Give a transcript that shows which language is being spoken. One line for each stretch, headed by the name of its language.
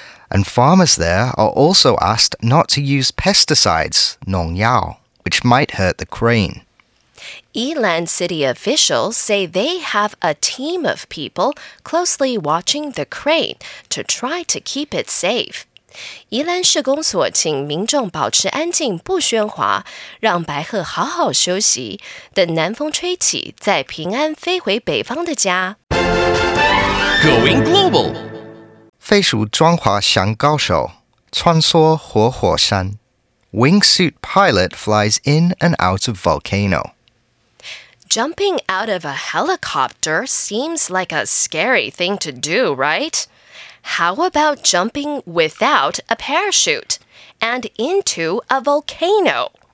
English: And farmers there are also asked not to use pesticides, 农药, which might hurt the crane. Yilan city officials say they have a team of people closely watching the crane to try to keep it safe.
Chinese: 宜蘭市公所請民眾保持安靜不喧嘩，讓白鶴好好休息，等南風吹起，再平安飛回北方的家。
English: Going global.
Chinese: 飛鼠裝滑翔高手，穿梭活火山。
English: Wingsuit pilot flies in and out of volcano. Jumping out of a helicopter seems like a scary thing to do, right? How about jumping without a parachute and into a volcano?